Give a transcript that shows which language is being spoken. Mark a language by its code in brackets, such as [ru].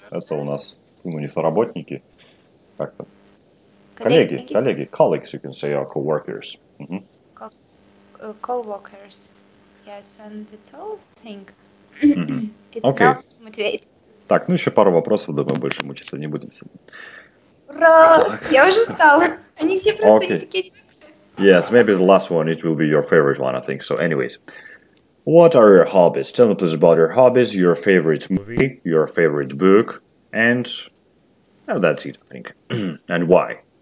[ru] Это у нас, ну, не соработники, как-то. Коллеги, коллеги, [en] colleagues, you can say, are co-workers. Co-workers, yes, and that's all I think. It's okay. Enough to motivate. [ru] Так, ну еще пару вопросов, да мы больше мучиться не будем сегодня. Ура! Я уже стала. Они все просто не такие. [en] Yes, maybe the last one, it will be your favorite one, I think. So anyways, what are your hobbies? Tell me please about your hobbies, your favorite movie, your favorite book, and oh, that's it, I think. And why?